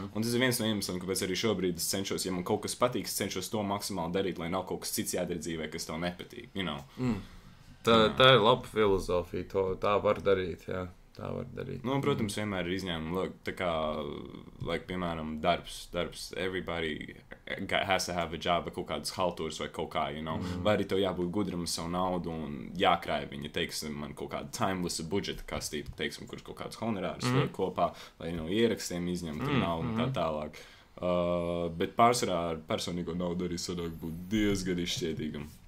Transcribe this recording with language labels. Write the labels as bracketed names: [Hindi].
[Latvian] Un tas ir viens no iemesliem, kāpēc arī šobrīd es cenšos, ja man kaut kas patīk, cenšos to maksimāli darīt, lai nav kaut kas cits jādara dzīvē, kas tev nepatīk. [English] You know? [Latvian] Tā ir laba filozofija, to, tā var darīt, jā. Tā var darīt. Nu, protams, vienmēr ir izņēmumi. [English] Look, [Latvian] tā kā, like, piemēram, darbs. [English] Everybody has to have a job [Latvian] vai kaut kādas haltūras vai kaut kā, [English] you know. Mm-hmm. [Latvian] Vai arī tev jābūt gudram savu naudu un jākrāj viņa, teiksim, man kaut kāda timeless budžeta kastīt, teiksim, kurš kaut kādas honorārus vēl kopā, lai, [English] you know, [Latvian] ierakstiem izņemt naudu un tā tālāk. Bet pārsvarā ar personīgo naudu arī sanāk būt diezgan izšķietīgam.